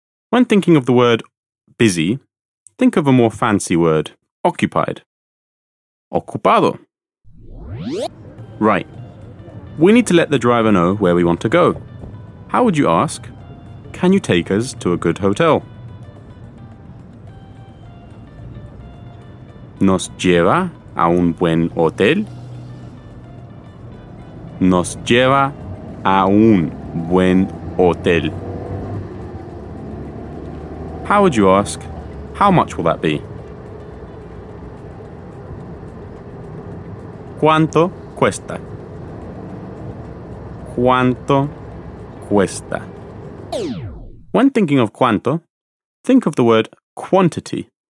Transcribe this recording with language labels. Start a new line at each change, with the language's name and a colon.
English: When thinking of the word busy, think of a more fancy word, occupied. Ocupado. Right. We need to let the driver know where we want to go. How would you ask, can you take us to a good hotel?
Spanish: ¿Nos lleva a un buen hotel? Nos lleva a un buen hotel.
English: How would you ask, how much will that be?
Spanish: ¿Cuánto cuesta? ¿Cuánto cuesta?
English: When thinking of cuánto, think of the word quantity.